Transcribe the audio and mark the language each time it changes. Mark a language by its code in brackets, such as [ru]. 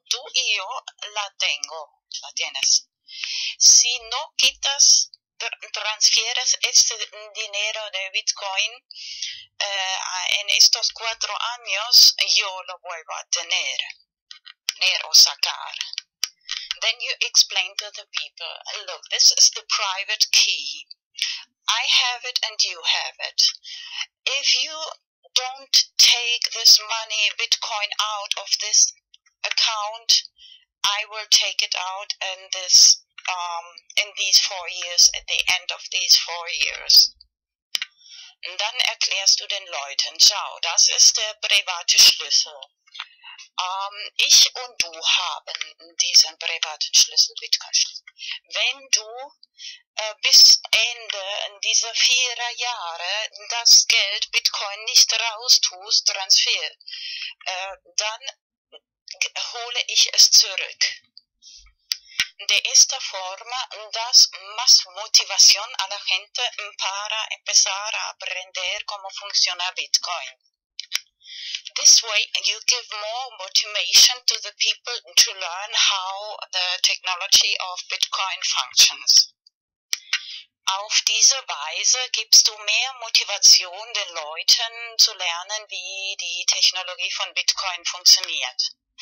[es] Tú y yo la tengo, la tienes. Si no quitas, transfieres este dinero de Bitcoin en estos 4 años, yo lo vuelvo a tener o sacar. [en] Then you explain to the people, look, this is the private key. I have it and you have it. If you don't take this money, Bitcoin, out of this account, I will take it out in these 4 years, at the end of these 4 years. [de] Dann erklärst du den Leuten, schau, das ist der private Schlüssel. Ich und du haben diesen privaten Schlüssel, Bitcoin-Schlüssel. Wenn du bis Ende dieser 4 Jahre das Geld Bitcoin nicht raustust, Transfer, dann hole ich es zurück. [es] De esta forma das más motivación a la gente para empezar a aprender cómo funciona Bitcoin. [en] This way you give more motivation to the people to learn how the technology of Bitcoin functions. [de] Auf diese Weise gibst du mehr Motivation den Leuten zu lernen, wie die Technologie von Bitcoin funktioniert.